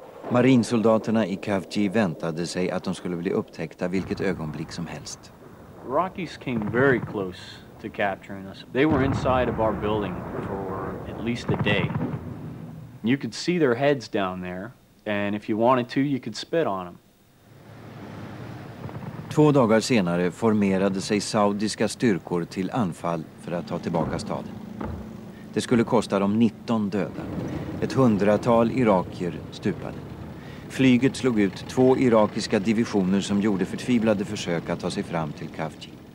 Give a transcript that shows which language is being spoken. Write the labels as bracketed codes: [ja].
[sv] Marinsoldaterna i Kafji väntade sig att de skulle bli upptäckta vilket ögonblick som helst. [en] Iraqis came very close to capturing us. They were inside of our building for at least a day. You could see their heads down there, and if you wanted to, you could spit on them. [sv] Två dagar senare formerade sig saudiska styrkor till anfall för att ta tillbaka staden. Det skulle kosta dem 19 döda. Ett hundratal irakier stupade. Flyget slog ut två irakiska divisioner som gjorde förtvivlade försök att ta sig fram till Kafji.